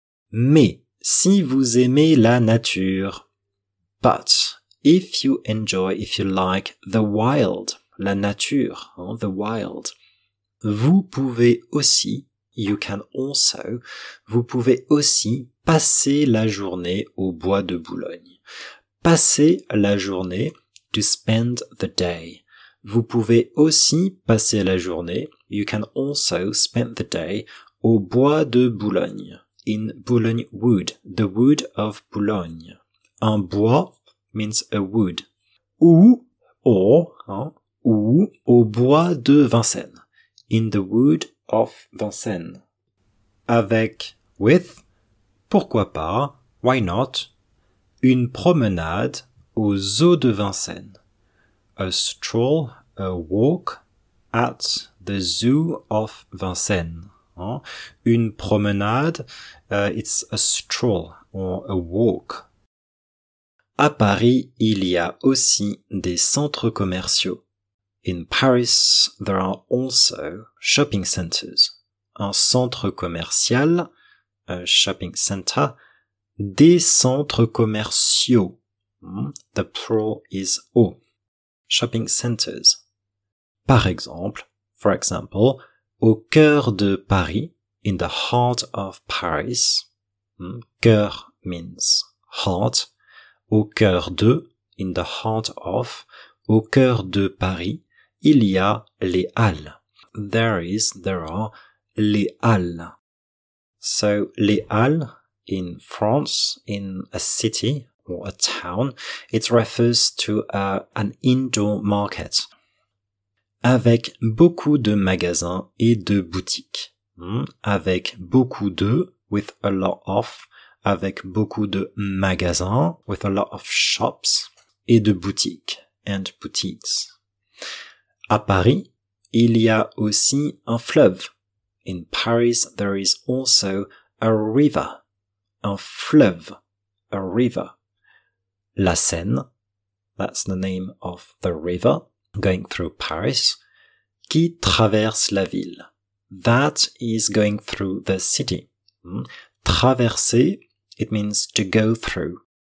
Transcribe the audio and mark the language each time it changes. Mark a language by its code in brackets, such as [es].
[fr] Mais si vous aimez la nature, [en] but if you enjoy, if you like the wild, [fr] la nature, [en] the wild, [fr] vous pouvez aussi, [en] you can also, [fr] vous pouvez aussi passer la journée au bois de Boulogne. Passer la journée, [en] to spend the day. [fr] Vous pouvez aussi passer la journée, [en] you can also spend the day, [fr] au bois de Boulogne. [en] In Boulogne wood, the wood of Boulogne. [fr] Un bois [en] means a wood. [fr] Ou au bois de Vincennes. [en] In the wood of Vincennes. [fr] Avec, [en] with, [fr] pourquoi pas, [en] why not, [fr] une promenade au zoo de Vincennes. [en] A stroll, a walk at the zoo of Vincennes. [fr] Une promenade, [en] it's a stroll or a walk. [fr] À Paris, il y a aussi des centres commerciaux. [en] In Paris, there are also shopping centers. [fr] Un centre commercial, [en] a shopping center, [fr] des centres commerciaux. [en] The plural is au. Shopping centers. [fr] Par exemple, [en] for example, [fr] au cœur de Paris, [en] in the heart of Paris, [fr] cœur [en] means heart, [fr] au cœur de, [en] in the heart of, [fr] au cœur de Paris, il y a les Halles. [en] There are les Halles. So, les Halles, in France, in a city or a town, it refers to an indoor market. [fr] Avec beaucoup de magasins et de boutiques. Avec beaucoup de, [en] with a lot of, [fr] avec beaucoup de magasins, [en] with a lot of shops, [fr] et de boutiques, [en] and boutiques. [fr] À Paris, il y a aussi un fleuve. [en] In Paris, there is also a river. [fr] Un fleuve, [en] a river. La Seine, that's the name of the river. Going through Paris, [fr] qui traverse la ville. [en] That is going through the city. [fr] Traverser, [en] it means to go through.